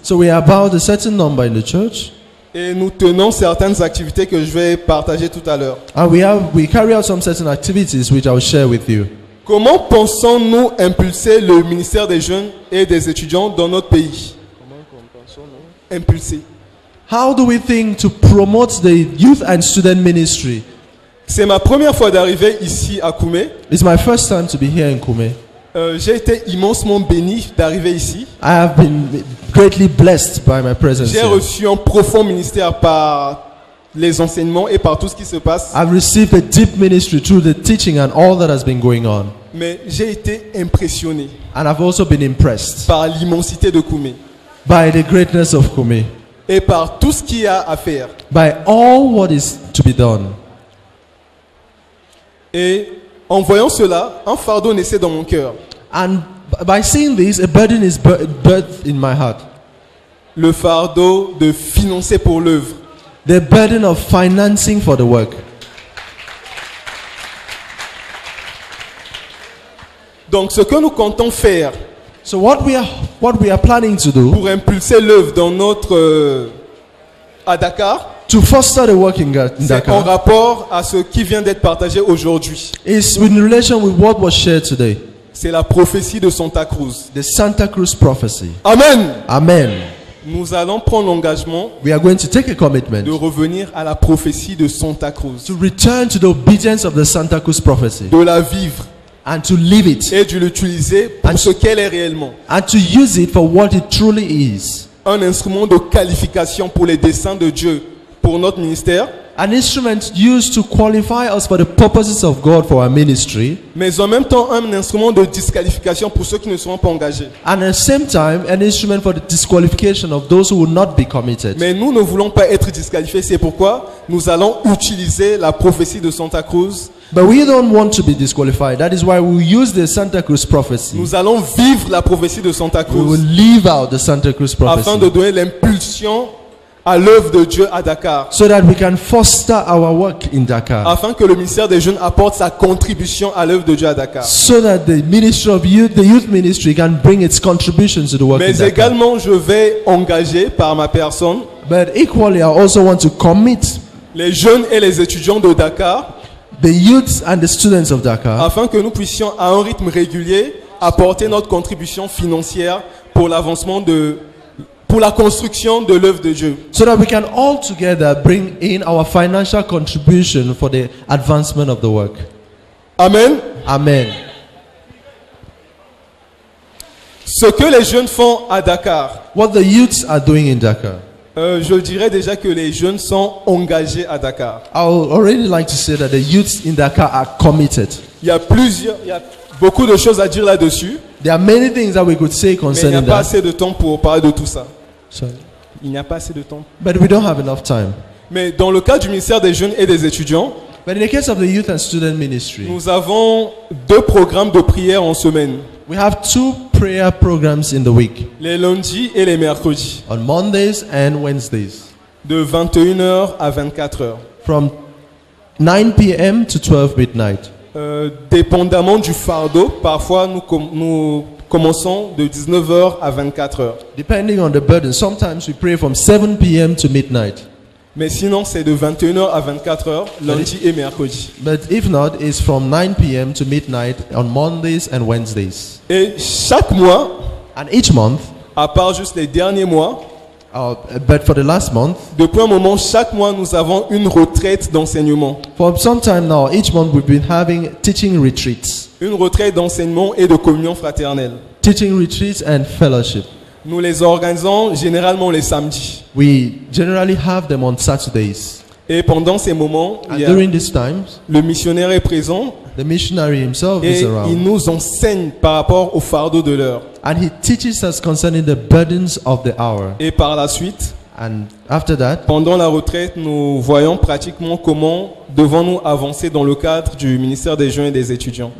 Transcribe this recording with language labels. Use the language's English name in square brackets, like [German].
[English] So we are about a certain number in the church. [French] Et nous tenons certaines activités que je vais partager tout à l'heure. [English] And we carry out some certain activities which I'll share with you. [French] Comment pensons-nous impulser le ministère des jeunes et des étudiants dans notre pays? Impulser. [English] How do we think to promote the youth and student ministry? [French] C'est ma première fois d'arriver ici à Koumé. [English] It's my first time to be here in Koumé. [French] J'ai été immensement béni d'arriver ici. [English] I have been greatly blessed by my presence. [French] J'ai reçu un profond ministère par les enseignements et par tout ce qui se passe. [English] I've received a deep ministry through the teaching and all that has been going on. [French] Mais j'ai été impressionné. [English] And I've also been impressed. [French] Par l'immensité de Koumé. [English] By the greatness of Koumé. [French] Et par tout ce qu'il y a à faire. [English] By all what is to be done. [French] Et en voyant cela, un fardeau naissait dans mon cœur. [English] And by seeing this, a burden is birthed in my heart. [French] Le fardeau de financer pour l'œuvre. [English] The burden of financing for the work. [French] Donc, ce que nous comptons faire. [English] So what we are planning to do. [French] Pour impulser l'œuvre dans notre à Dakar. [English] to foster the work in Dakar. [French] C'est en rapport à ce qui vient d'être partagé aujourd'hui. [English] It's in relation with what was shared today. [French] C'est la prophétie de Santa Cruz. [English] The Santa Cruz prophecy. Amen. Amen. [French] Nous allons prendre l'engagement de revenir à la prophétie de Santa Cruz. [English] To return to the obedience of the Santa Cruz prophecy. [French] De la vivre. [English] And to live it. [French] Et de l'utiliser pour ce qu'elle est réellement. [English] And to use it for what it truly is. [French] Un instrument de qualification pour les desseins de Dieu pour notre ministère. [English] An instrument used to qualify us for the purposes of God for our ministry. [French] Mais en même temps, un instrument de disqualification pour ceux qui ne seront pas engagés. [English] And at the same time, an instrument for the disqualification of those who will not be committed. [French] Mais nous ne voulons pas être disqualifiés. C'est pourquoi nous allons utiliser la prophétie de Santa Cruz. [English] But we don't want to be disqualified. That is why we use the Santa Cruz prophecy. [French] Nous allons vivre la prophétie de Santa Cruz. [English] We will live out the Santa Cruz prophecy. [French] Afin de donner l'impulsion à l'œuvre de Dieu à Dakar. [English] So that we can foster our work in Dakar. [French] Afin que le ministère des jeunes apporte sa contribution à l'œuvre de Dieu à Dakar. [English] So that the ministry of youth, the youth ministry can bring its contributions to the work [French] Mais [English] in Dakar. [French] Mais également, je vais engager par ma personne. [English] But equally, I also want to commit [French] les jeunes et les étudiants de Dakar. [English] The youths and the students of Dakar. [French] Afin que nous puissions à un rythme régulier apporter notre contribution financière pour l'avancement de pour la construction de l'œuvre de Dieu. [English] So that we can all together bring in our financial contribution for the advancement of the work. Amen. Amen. [French] Ce que les jeunes font à Dakar. [English] What the youths are doing in Dakar. [French] Je dirais déjà que les jeunes sont engagés à Dakar. [English] I would already like to say that the youths in Dakar are committed. [French] Il y a beaucoup de choses à dire là-dessus. [English] There are many things that we could say concerning [French] n'y a pas assez de temps pour parler de tout ça. [English] Sorry. [French] Il n'y a pas assez de temps. [English] But we don't have enough time. [French] Mais dans le cas du ministère des jeunes et des étudiants, [English] But in the case of the youth and student ministry, [French] nous avons deux programmes de prière en semaine. [English] We have two prayer programs in the week. [French] Les lundis et les mercredis. [English] On Mondays and Wednesdays. [French] De 21h à 24h. [English] From 9 p.m. to 12 midnight. [French] Dépendamment du fardeau, parfois nous commençons de 19h à 24h. [English] Depending on the burden, sometimes we pray from 7 p.m. to midnight. [French] Mais sinon, c'est de 21h à 24h, lundi et mercredi. [English] But if not, it's from 9 p.m. to midnight on Mondays and Wednesdays. [French] Et chaque mois, [English] and each month, [French] à part juste les derniers mois, [English] But for the last month, [French] depuis un moment, chaque mois, nous avons une retraite d'enseignement. [English] For some time now, each month we've been having teaching retreats. [French] Une retraite d'enseignement et de communion fraternelle. [English] Teaching retreats and fellowship. [French] Nous les organisons généralement les samedis. [English] We generally have them on Saturdays. [French] Et pendant ces moments, [English] during these times, [French] le missionnaire est présent. [English] The missionary himself [French] et [English] is around. [French] Il nous enseigne par rapport au fardeau de l'heure. [English] And he teaches us concerning the burdens of the hour. [French] Et par la suite, [English] and after that, [French] pendant la retraite, nous voyons pratiquement comment devons-nous avancer dans le cadre du ministère des jeunes et des étudiants.